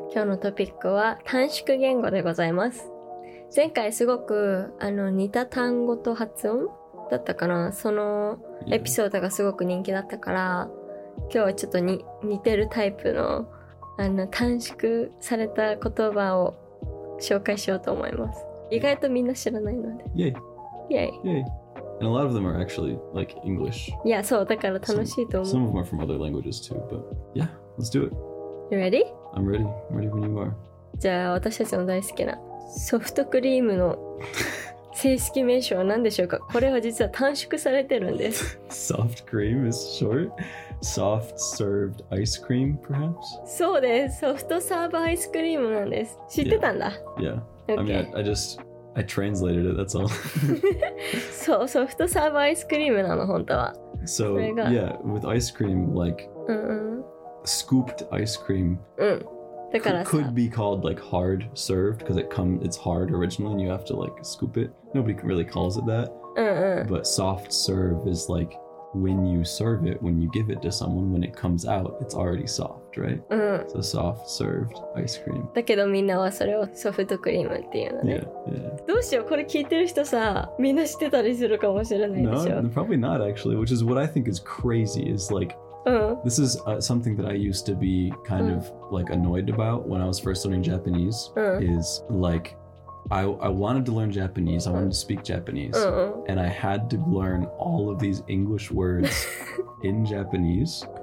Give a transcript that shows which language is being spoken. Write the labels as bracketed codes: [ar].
[ja] 今日のトピックは短縮言語でございます。前回すごく似た単語と発音だったかな。そのエピソードがすごく人気だったから、今日はちょっと似てるタイプの短縮された言葉を紹介しようと思います。意外とみんな知らないので。 [en] Yay! And a lot of them are actually like English. Yeah, so [ja] だから楽しいと思う。 [en] Some of them are from other languages too, but yeah, let's do it. You ready? I'm ready. I'm ready when you are. [ja] じゃあ私たちの大好きなソフトクリームの正式名称は何でしょうか。これは実は短縮されてるんです。 [en] Soft cream is short. Soft served ice cream, perhaps? [ja] そうです。ソフトサーブアイスクリームなんです。知ってたんだ。 [en] Yeah. Okay. I translated it, that's all. [ja] そう、ソフトサーブアイスクリームなの、本当は。 [en] So, yeah, with ice cream, like, scooped ice cream. Could be called like hard served because it's hard originally and you have to like scoop it. Nobody really calls it that. But soft serve is like when you serve it, when you give it to someone, when it comes out, it's already soft, right? So soft served ice cream. [ja] だけどみんなはそれをソフトクリームって言うのね。 [en] Yeah. [ja] どうしよう、これ聞いてる人さ、みんな知ってたりするかもしれないでしょ。 [en] No, probably not actually, which is what I think is crazy is like,This is something that I used to be kind of like annoyed about when I was first learning Japanese. Is like, I wanted to learn Japanese. I wanted to speak Japanese. And I had to learn all of these English words in Japanese.